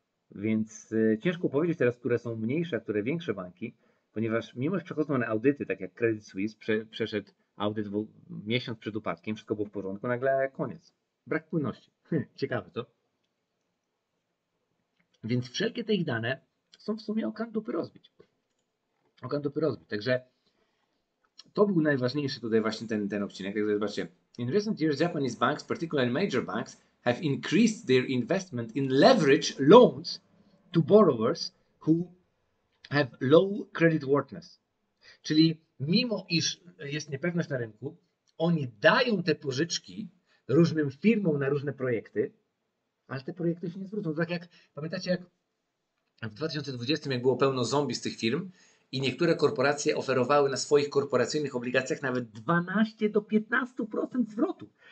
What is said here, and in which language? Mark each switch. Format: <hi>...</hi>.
<pl>Więc ciężko powiedzieć teraz, które są mniejsze, a które większe banki, ponieważ mimo że przechodzą na audyty, tak jak Credit Suisse przeszedł audyt miesiąc przed upadkiem, wszystko było w porządku, nagle koniec. Brak płynności. Ciekawe to. Więc wszelkie te ich dane są w sumie o kan dupy rozbić. O kan dupy rozbić. Także to był najważniejszy tutaj właśnie ten odcinek. Także zobaczcie.</pl> <en>In recent years, Japanese banks, particularly major banks, have increased their investment in leverage loans to borrowers who have low creditworthiness.</en> <pl>Czyli mimo iż jest niepewność na rynku, oni dają te pożyczki różnym firmom na różne projekty, ale te projekty się nie zwrócą. Tak jak pamiętacie, jak w 2020, jak było pełno zombie z tych firm i niektóre korporacje oferowały na swoich korporacyjnych obligacjach nawet 12 do 15% zwrotu.</pl>